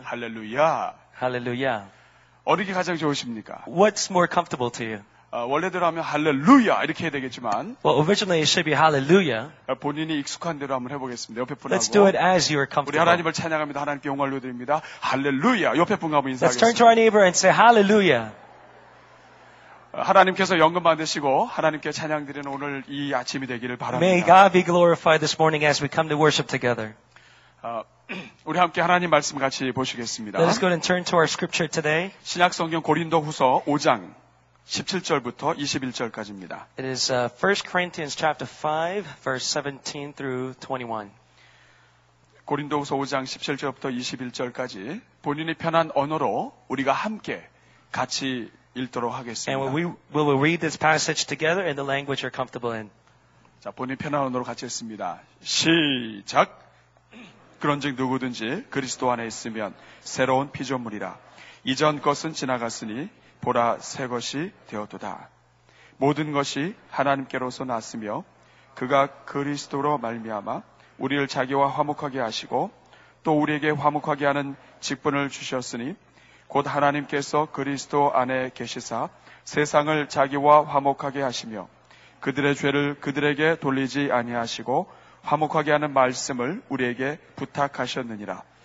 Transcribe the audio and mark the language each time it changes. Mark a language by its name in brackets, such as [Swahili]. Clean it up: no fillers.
[English] Hallelujah. Hallelujah. [Korean] 어느 게 가장 좋으십니까? [English] What's more comfortable to you? [Korean] 원래대로 하면 할렐루야 이렇게 해야 되겠지만 [English] Well, originally it should be hallelujah. [Korean] 본인이 익숙한 대로 한번 해보겠습니다. 옆에 분하고 [English] Let's do it as you are comfortable. [Korean] 우리 하나님을 찬양합니다. 하나님께 영광을 돌려드립니다. 할렐루야. 옆에 분하고 인사하겠습니다. [English] Let's turn to our neighbor and say hallelujah. [Korean] 하나님께서 영광 받으시고 하나님께 찬양드리는 오늘 이 아침이 되기를 바랍니다. [English] May God be glorified this morning as we come to worship together. [Korean] 우리 함께 하나님 말씀 같이 보시겠습니다. [English] Let's go and turn to our scripture today. [Korean] 신약성경 고린도후서 5장 17절부터 21절까지입니다. [English] It is 1 Corinthians chapter 5 verse 17 through 21. [Korean] 고린도후서 5장 17절부터 21절까지 본인이 편한 언어로 우리가 함께 같이 읽도록 하겠습니다. [English] And we will read this passage together in the language you're comfortable in. [Korean] 자, 본인 편한 언어로 같이 읽습니다. 시작. 그런즉 누구든지 그리스도 안에 있으면 새로운 피조물이라. 이전 것은 지나갔으니 보라 새 것이 되었도다. 모든 것이 하나님께로서 났으며 그가 그리스도로 말미암아 우리를 자기와 화목하게 하시고 또 우리에게 화목하게 하는 직분을 주셨으니 곧 하나님께서 그리스도 안에 계시사 세상을 자기와 화목하게 하시며 그들의 죄를 그들에게 돌리지 아니하시고 화목하게 하는 말씀을 우리에게 부탁하셨느니라.